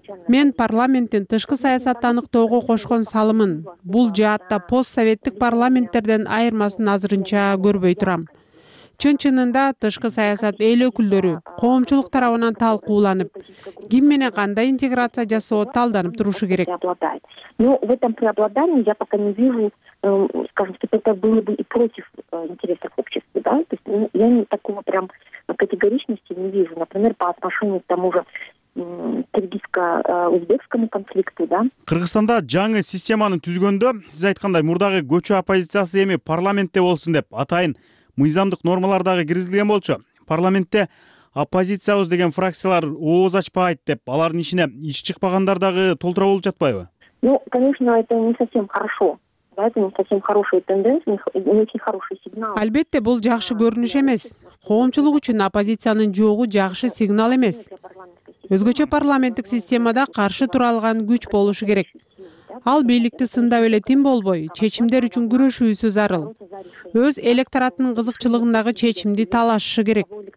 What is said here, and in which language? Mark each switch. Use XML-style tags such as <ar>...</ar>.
<ky>Мен парламенттин тышкы саясатты аныктоого кошкон салымын бул жаатта постсоветтик парламенттерден айырмасын азырынча көрбөй турам. Чын чынында тышкы саясат эл өкүлдөрү, коомчулук тарабынан талкууланып, ким менен кандай интеграция жасоо талданып турушу керек.</ky> <ru>Но в этом преобладании я пока не вижу, скажем, что это было бы и против интересов общества, да? То есть я такого прям категоричности не вижу. Например, по отношению к тому же Кыргызско-Узбекскому конфликту, да?</ru> <ky>Кыргызстанда жаңы системаны түзгөндө, сиз айткандай, мурдагы көчө оппозициясы эми парламентте болсун деп атайын мыйзамдык нормалар дагы киргизилген болчу. Парламентте оппозициябыз деген фракциялар ооз ачпайт деп, алардын ишине иш чыкпагандар дагы толтура болуп жатпайбы?</ky> <ru>Ну, конечно, это не совсем хорошо. Да, это не совсем хорошая тенденция, не очень хороший сигнал.</ru> <ky>Албетте, бул жакшы көрүнүш эмес. Коомчулук үчүн оппозициянын жоогу жакшы сигнал эмес. Өзгөчө парламенттик системада каршы тура алган күч болушу керек. Ал бийликти сындап эле тим болбой, чечимдер үчүн күрөшүүсү зарыл. Өз электораттын кызыкчылыгындагы чечимди талашышы керек.</ky>